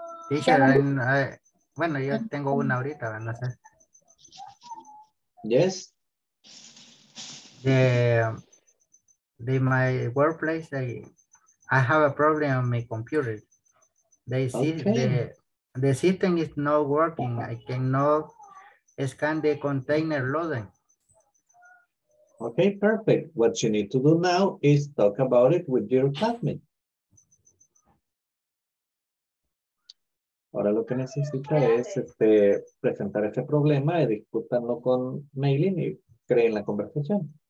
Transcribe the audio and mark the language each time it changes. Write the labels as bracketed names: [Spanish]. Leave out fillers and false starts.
[Spanish] Teacher, bueno, yo tengo una ahorita, no sé. [English] Yes. The my workplace, I have a problem on my computer. The system is not working. I cannot scan the container loading. Okay, perfect. What you need to do now is talk about it with your classmate. [Spanish] Ahora lo que necesita es presentar este problema y discutanlo con Maylin y creen la conversación.